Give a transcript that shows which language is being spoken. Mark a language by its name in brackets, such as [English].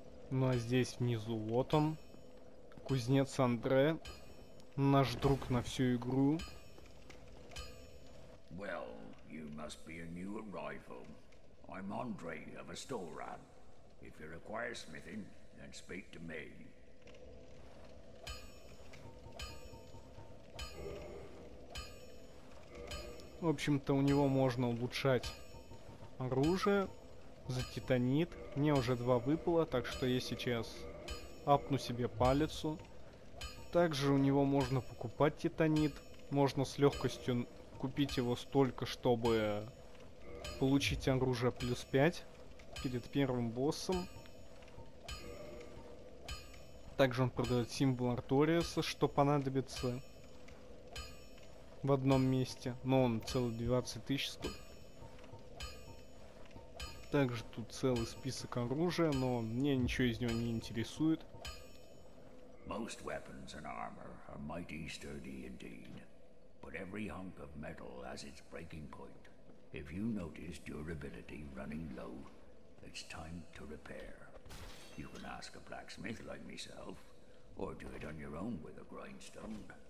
[Russian] Ну а здесь внизу вот он, кузнец Андре, наш друг на всю игру. [English] Well, you must be a new arrival. I'm Andre of Astora. If you require smithing, then speak to me. [Russian] В общем-то, у него можно улучшать оружие за титанит. Мне уже 2 выпало, так что я сейчас апну себе палицу. Также у него можно покупать титанит. Можно с легкостью купить его столько, чтобы получить оружие плюс 5 перед первым боссом. Также он продает символ Арториуса, что понадобится в одном месте. Но он целых 20 тысяч стоит. Также тут целый список оружия, но мне ничего из него не интересует. [English] Most weapons and armor are mighty sturdy indeed. But every hunk of metal has its breaking point. If you notice durability running low, it's time to repair. You can ask a blacksmith like myself, or do it on your own with a grindstone.